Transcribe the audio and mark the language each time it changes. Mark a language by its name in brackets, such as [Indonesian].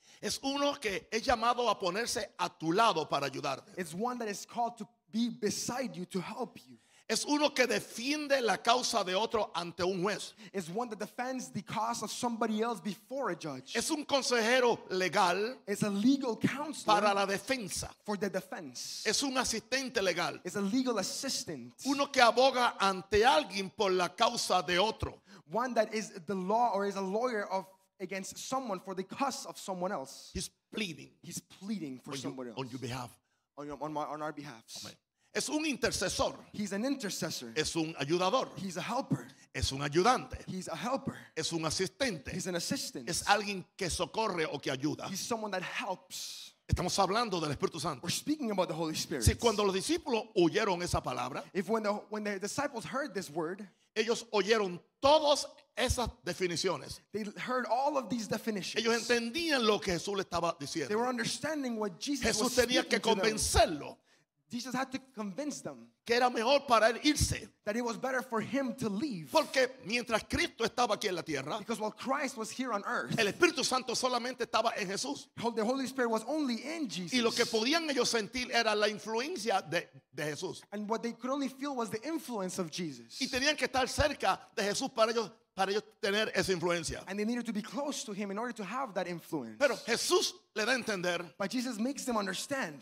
[Spanish] Es uno que es llamado a ponerse a tu lado para ayudarte. [English] It's one that is called to be beside you, to help you. [Spanish] Es uno que defiende la causa de otro ante un juez. [English] Is one that defends the cause of somebody else before a judge. [Spanish] Es un consejero legal. [English] Is a legal counselor [Spanish] para la defensa. [English] For the defense. [Spanish] Es un asistente legal. [English] Is a legal assistant. [Spanish] Uno que aboga ante alguien por la causa de otro. [English] One that is the law or is a lawyer of against someone for the cause of someone else. He's pleading. He's pleading for someone else. On your behalf. On our behalfs. [Spanish] Amen. Es un intercesor. [English] He's an intercessor. [Spanish] Es un ayudador. [English] He's a helper. [Spanish] Es un ayudante. [English] He's a helper. [Spanish] Es un asistente. [English] He's an assistant. [Spanish] Es alguien que socorre o que ayuda. [English] He's someone that helps. [Spanish] Estamos hablando del Espíritu Santo. [English] We're speaking about the Holy Spirit. [Spanish] Si cuando los discípulos oyeron esa palabra, [English] if when the disciples heard this word, [Spanish] ellos oyeron todas esas definiciones. [English] They heard all of these definitions. [Spanish] Ellos entendían lo que Jesús le estaba diciendo. [English] They were understanding what Jesus [Spanish] Jesús [English] was [Spanish] tenía [English] speaking [Spanish] que convencerlo. [English] Jesus had to convince them [Spanish] que era mejor para él irse. [English] That it was better for him to leave. [Spanish] Porque mientras Cristo estaba aquí en la tierra, [English] because while Christ was here on earth, [Spanish] el Espíritu Santo solamente estaba en Jesús. [English] The Holy Spirit was only in Jesus. [Spanish] Y lo que podían ellos sentir era la influencia de Jesús. [English] And what they could only feel was the influence of Jesus. [Spanish] Y tenían que estar cerca de Jesús para ellos tener esa influencia. [English] And they needed to be close to him in order to have that influence. [Spanish] Pero Jesús le da a entender. [English] But Jesus makes them understand.